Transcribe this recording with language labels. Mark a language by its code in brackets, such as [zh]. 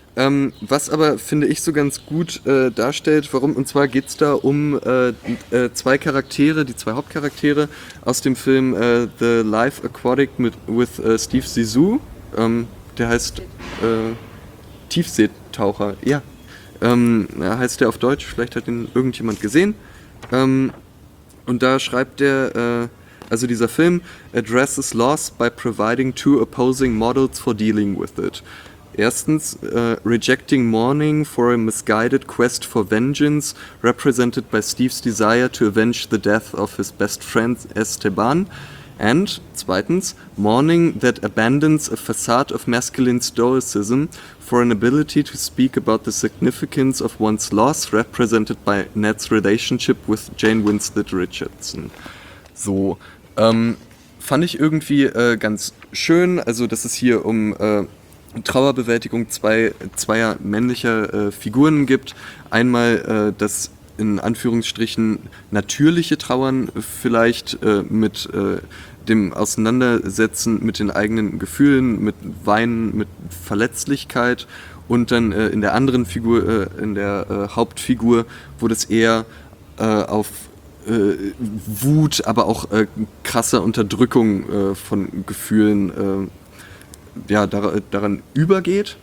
[de] Was aber, finde ich, so ganz gut darstellt, warum, und zwar geht es da um zwei Charaktere, die zwei Hauptcharaktere aus dem Film The Life Aquatic with Steve Zissou. Der heißt Tiefseetaucher, ja. Heißt der auf Deutsch, vielleicht hat ihn irgendjemand gesehen. Und da schreibt der, also dieser Film, [en] addresses loss by providing two opposing models for dealing with it. [de] Erstens, [en] rejecting mourning for a misguided quest for vengeance, represented by Steve's desire to avenge the death of his best friend Esteban. And [de] zweitens, [en] mourning that abandons a facade of masculine stoicism for an ability to speak about the significance of one's loss, represented by Ned's relationship with Jane Winslet Richardson. [de] So, fand ich irgendwie ganz schön, also dass es hier um Trauerbewältigung zweier männlicher Figuren gibt. Einmal das in Anführungsstrichen natürliche Trauern vielleicht mit dem Auseinandersetzen mit den eigenen Gefühlen, mit Weinen, mit Verletzlichkeit und dann in der anderen Figur, in der Hauptfigur, wo das eher auf Wut, aber auch krasse Unterdrückung von Gefühlen ja, daran übergeht.